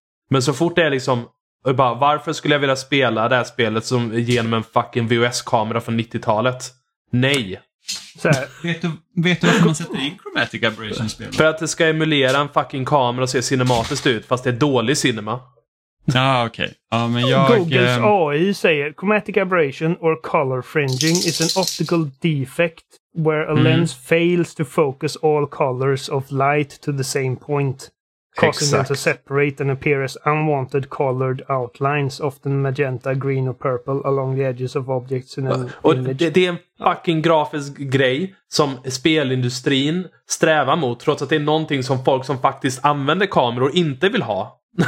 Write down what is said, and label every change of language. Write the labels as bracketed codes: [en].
[sv] Men så fort det är liksom, bara, varför skulle jag vilja spela det här spelet som genom en fucking VHS-kamera från 90-talet? Nej. Så här. Vet du varför man sätter in chromatic aberration-spel? För att det ska emulera en fucking kamera och se cinematiskt ut, fast det är dålig cinema. Ja, ah, okej. Okay. Ah, men jag... Googles AI säger, [en] chromatic aberration or color fringing is an optical defect where a lens fails to focus all colors of light to the same point, causing them to separate and appear as unwanted colored outlines, often magenta, green or purple along the edges of objects in an image. [sv] Och det är en fucking grafisk grej som spelindustrin strävar mot, trots att det är någonting som folk som faktiskt använder kameror inte vill ha.